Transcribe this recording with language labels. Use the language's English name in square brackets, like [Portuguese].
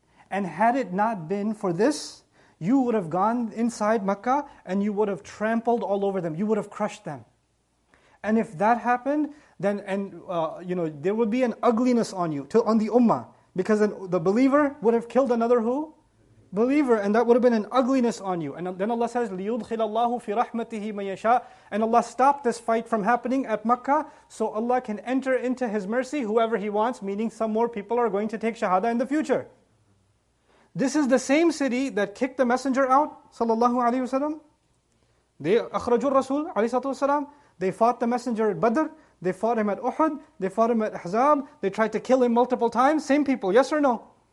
[English] And had it not been for this, you would have gone inside Mecca and you would have trampled all over them. You would have crushed them. And if that happened, then there would be an ugliness on you, on the ummah. Because then the believer would have killed another who? Believer. And that would have been an ugliness on you. And then Allah says, [Arabic] لِيُدْخِلَ اللَّهُ فِي رَحْمَتِهِ مَن يَشَاءُ. [English] And Allah stopped this fight from happening at Mecca, so Allah can enter into His mercy whoever He wants, meaning some more people are going to take shahada in the future. This is the same city that kicked the messenger out, sallallahu alayhi wa sallam. They akhrajul rasul, alayhi salatu wa sallam. They fought the messenger at Badr, they fought him at Uhud, they fought him at Ahzab, they tried to kill him multiple times, same people, yes or no?